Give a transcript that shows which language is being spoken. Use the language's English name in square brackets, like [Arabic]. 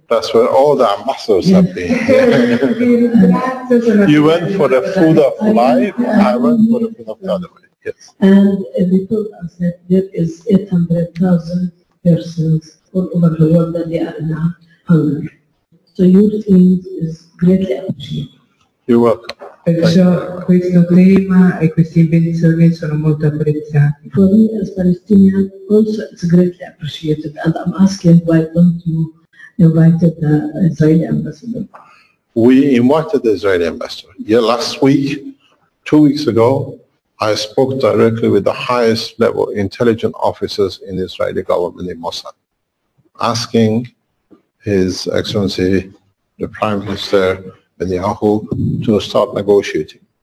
[English] That's where all the ambassadors have been. You went for the food of life, I went for the food of the other way. Yes. And they told us that there is 800,000 persons all over the world that they are now hungry. So your team is greatly appreciated. You're welcome. [Italian] Perciò questo tema e queste invenzioni sono molto apprezzati. [English] For me as Palestinian also it's greatly appreciated and I'm asking why don't you invite the Israeli ambassador? We invited the Israeli ambassador. Yeah, last week, 2 weeks ago, I spoke directly with the highest level intelligence officers in the Israeli government in Mossad, asking His Excellency the Prime Minister and Yahoo to start negotiating.